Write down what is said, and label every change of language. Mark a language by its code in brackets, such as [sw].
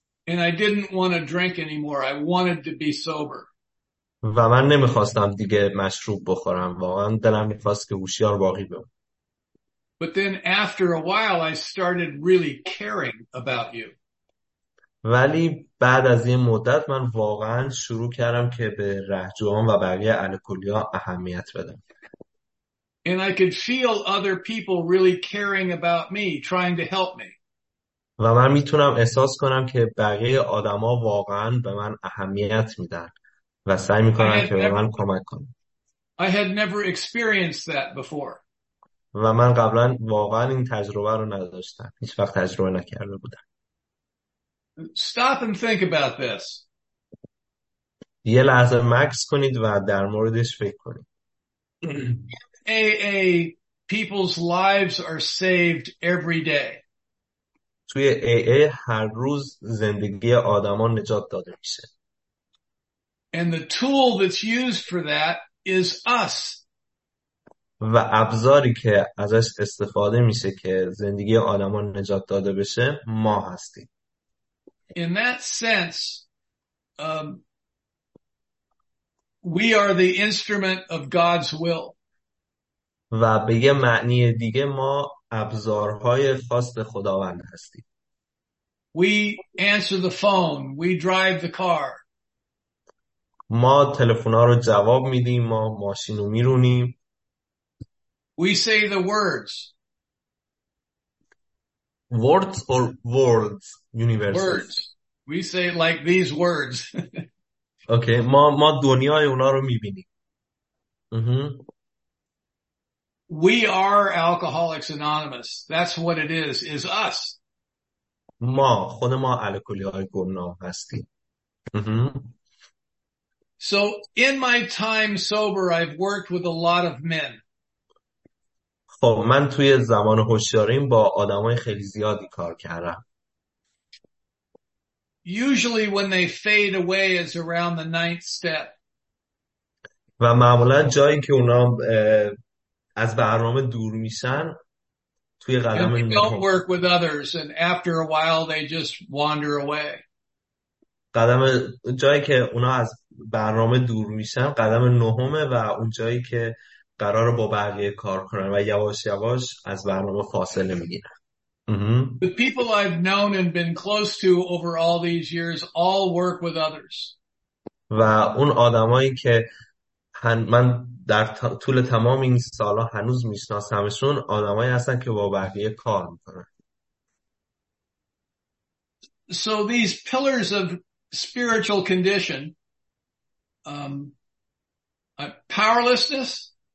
[en] And I didn't want to drink anymore. I wanted to be sober. [fa] و من نمیخواستم دیگه مشروب بخورم. واقعا دلم میخواست که هوشیار باقی بمونم. [en] But then after a while I started really caring about you. [fa] ولی بعد از این مدت من واقعا شروع کردم که به رهجوان و بقیه الکلیا اهمیت بدم. [en] And I could feel other people really caring about me, trying to help me. [fa] و من میتونم احساس کنم که بقیه آدما واقعا به من اهمیت میدن و سعی میکنن که به من کمک کنن. [en] I had never experienced that before. [fa] و من قبلا واقعا این تجربه رو نداشتم. هیچ وقت تجربه نکرده بودم. [en] Stop and think about this. [fa] یه لحظه مکث کنید و در موردش فکر کنید. [en] AA people's lives are saved every day. [fa] توی AA هر روز زندگی آدمان نجات داده میشه. [en] And the tool that's used for that is us. [fa] و ابزاری که ازش استفاده میشه که زندگی آدمان نجات داده بشه ما هستیم. [en] In that sense, we are the instrument of God's will. [fa] و به یه معنی دیگه ما ابزارهای خاص خداوند هستیم. [en] We answer the phone, we drive the car. [fa] ما تلفونا رو جواب میدیم، ما ماشین رو میرونیم. [en] We say the words. Words or words, universe. Words. We say like these words. [fa] Okay, ما دنیای اونا رو میبینیم. [en] We are Alcoholics Anonymous. That's what it is us. [fa] ما خود ما الکلی‌های گمنام هستیم. [en] So in my time sober, I've worked with a lot of men. [fa] خب من توی زمان هوشیاریم با آدمای خیلی زیادی کار کردم. [en] Usually when they fade away is around the ninth step. [fa] و معمولا جایی که اونا از برنامه دور میشن توی قدم نهم. [en] Don't work with others and after a while they just wander away. [fa] قدم جایی که اونا از برنامه دور میشن قدم نهمه و اون جایی که قرار با بقیه کار کنن و یواش یواش از برنامه فاصله میگیرن. [en] The people I've known and been close to over all these years all work with others. [fa] و اون آدمایی که من در طول تمام این سالا هنوز میشناسمشون آدمایی هستن که با بقیه کار میکنن. [en] So these pillars of spiritual condition powerlessness.